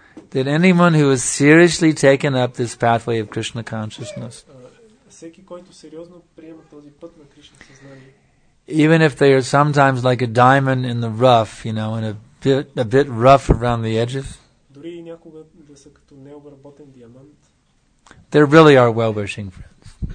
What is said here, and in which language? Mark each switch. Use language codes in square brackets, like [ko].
[en] that anyone who has seriously taken up this pathway of Krishna consciousness, [bg] всеки, който сериозно приема този път на Кришна съзнание, [en] even if they are sometimes like a diamond in the rough, you know, and a bit rough around the edges, [bg] дори някога да са като необработен диамант, [en] they really are well-wishing friends.